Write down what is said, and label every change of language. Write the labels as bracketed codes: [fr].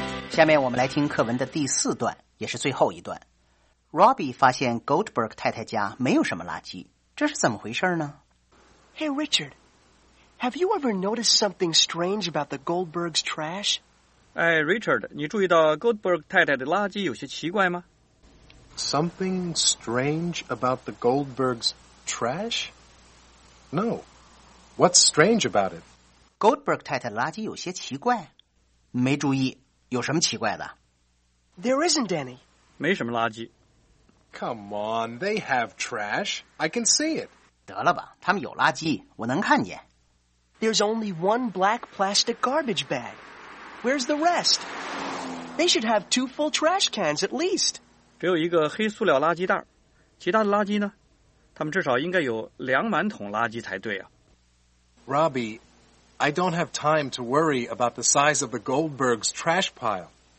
[zh] 下面我们来听课文的第四段，也是最后一段。Robbie 发现 Goldberg 太太家没有什么垃圾，这是怎么回事呢？ [en] Hey Richard, have you ever noticed something strange about the Goldberg's trash? Hey [zh] Richard, 你注意到 Goldberg 太太的垃圾有些奇怪吗？ [en] Something strange about the Goldberg's trash? No, what's strange about it? [zh] Goldberg 太太的垃圾有些奇怪，没注意，有什么奇怪的？ [en] There isn't any. [zh] 没什么垃圾。 [en] Come on, they have trash. I can see it. [zh] 得了吧，他们有垃圾，我能看见。 [en] There's only one black plastic garbage bag. Where's the rest? They should have two full trash cans at least. [zh] 只有一个黑塑料垃圾袋，其他的垃圾呢？他们至少应该有两满桶垃圾才对啊。 [en] Robbie,I don't have time to worry about the size of the Goldberg's trash pile.